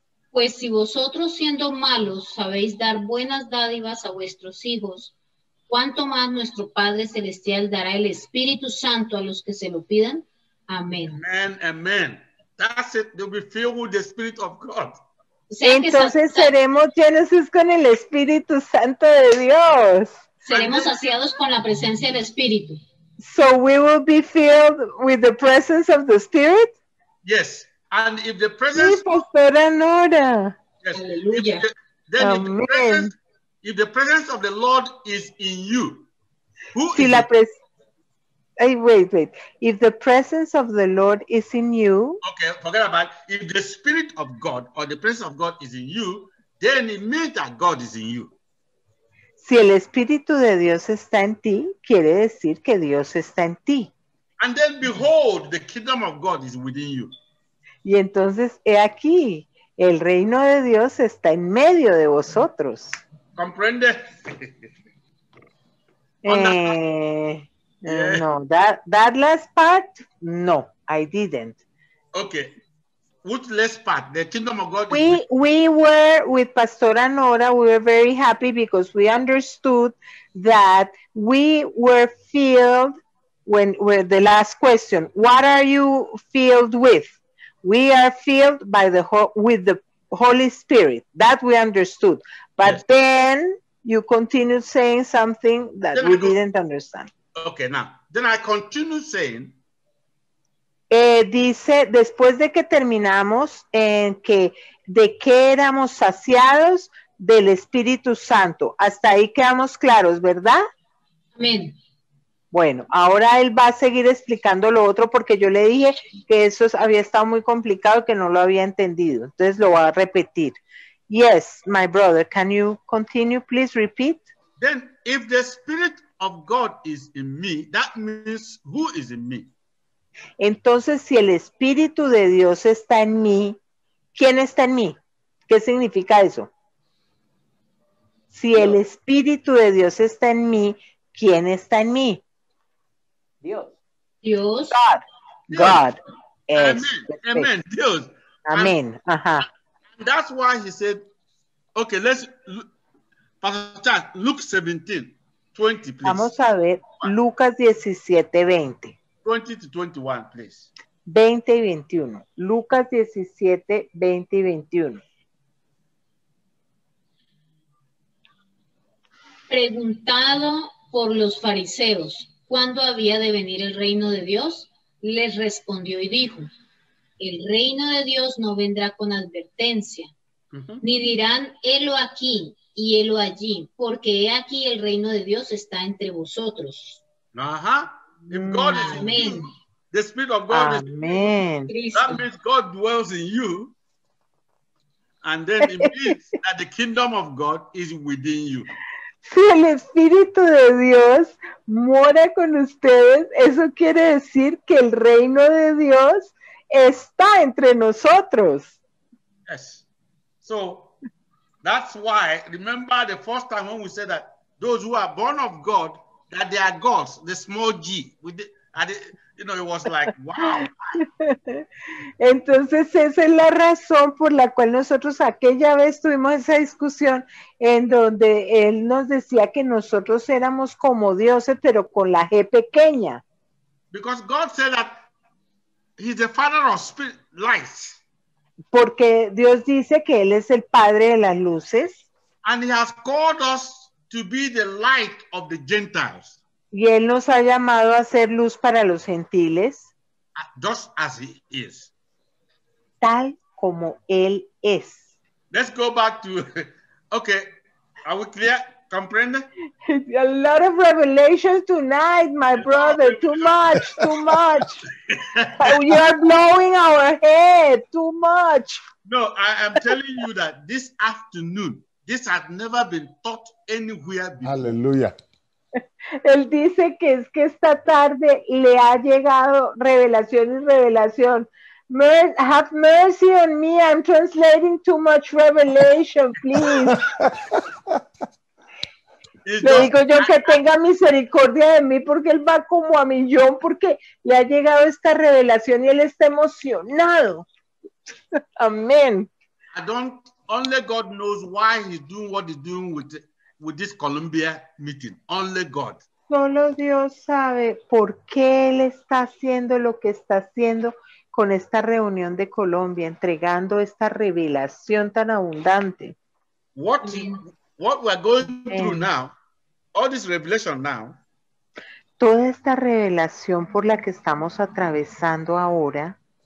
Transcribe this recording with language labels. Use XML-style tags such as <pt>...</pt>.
<es>Pues si vosotros siendo malos sabéis dar buenas dádivas a vuestros hijos, ¿cuánto más nuestro Padre Celestial dará el Espíritu Santo a los que se lo pidan? Amén. Amén, amén.</es> <en>That's it. They'll be filled with the Spirit of God.</en> <es>Entonces seremos llenos con el Espíritu Santo de Dios. Seremos saciados con la presencia del Espíritu.</es> <en>So we will be filled with the presence of the Spirit? Yes. And if the presence...</en> <es>Sí, Pastora Nora.</es> <en>Yes.</en> <es>Aleluya. Amén.</es> <en>If the presence of the Lord is in you, who</en> <es>si</es> <en>is</en> <es>la pres-</es> <en>hey, wait. If the presence of the Lord is in you. Okay, forget about it. If the Spirit of God or the presence of God is in you, then it means that God is in you.</en> <es>Si el Espíritu de Dios está en ti, quiere decir que Dios está en ti.</es> <en>And then behold, the kingdom of God is within you.</en> <es>Y entonces, he aquí, el reino de Dios está en medio de vosotros. Comprende?</es> <en>No, that last part, no, I didn't. Okay, which last part? The kingdom of God. We were with Pastora Nora. We were very happy because we understood that we were filled with the last question. What are you filled with? We are filled by the with the Holy Spirit. That we understood. But yes. Then you continued saying something that then we didn't understand. Okay, now. Then I continue saying.</en> <es>Dice, después de que terminamos, en que, de que éramos saciados del Espíritu Santo. Hasta ahí quedamos claros, ¿verdad? Amén. Bueno, ahora él va a seguir explicando lo otro porque yo le dije que eso había estado muy complicado y que no lo había entendido. Entonces lo va a repetir.</es> <en>Yes, my brother, can you continue, please repeat? Then, if the Spirit of God is in me, that means who is in me?</en> <es>Entonces, si el Espíritu de Dios está en mí, ¿quién está en mí? ¿Qué significa eso? Si el Espíritu de Dios está en mí, ¿quién está en mí? Dios.</es> <en>God.</en> <es>Amen. Amen. Dios. Amen. Ajá.</es> <en>That's why he said, okay, let's Pastor Charles, Luke 17, 20, please.</en> <es>Vamos a ver Lucas 17, 20.</es> <en>20 to 21, please.</en> <es>20 y 21. Lucas 17, 20 y 21. Preguntado por los fariseos, ¿cuándo había de venir el reino de Dios? Les respondió y dijo, el reino de Dios no vendrá con advertencia, ni dirán, helo aquí y helo allí, porque he aquí el reino de Dios está entre vosotros. Ajá.</es> <en>If God is in you, the Spirit of God is in you. That means God dwells in you. And then it means that the kingdom of God is within you.</en> <es>Si el Espíritu de Dios mora con ustedes, eso quiere decir que el reino de Dios está entre nosotros.</es> <en>Yes. So, that's why, remember the first time when we said that those who are born of God, that they are gods, the small g. With the, and it, you know, it was like, wow.</en> <es>Entonces, esa es la razón por la cual nosotros aquella vez tuvimos esa discusión en donde él nos decía que nosotros éramos como dioses, pero con la G pequeña.</es> <en>Because God said that he's the father of spirit light.</en> <es>Porque Dios dice que él es el padre de las luces.</es> <en>And he has called us to be the light of the Gentiles.</en> <es>Y él nos ha llamado a ser luz para los gentiles.</es> <en>Just as he is.</en> <es>Tal como él es.</es> <en>Let's go back to, okay, are we clear?</en> <es>Comprende?</es> <en>A lot of revelations tonight, my brother. Too much, too much. You are blowing our head, too much. No, I am telling you that this afternoon, this has never been taught anywhere before. Hallelujah.</en> <es>Él dice que es que esta tarde le ha llegado revelación y revelación.</es> <en>Have mercy on me, I'm translating too much revelation, please.</en> <es>Le digo yo que tenga misericordia de mí porque él va como a millón porque le ha llegado esta revelación y él está emocionado. Amén.</es> <en>I don't, only God knows why he's doing what he's doing with it. With this Columbia meeting, only God.</en> <es>Solo Dios sabe por qué él está haciendo lo que está haciendo con esta reunión de Colombia, entregando esta revelación tan abundante.</es> <en>What we're going through now, all this revelation now.</en> <es>Toda esta revelación por la que estamos atravesando ahora.</es>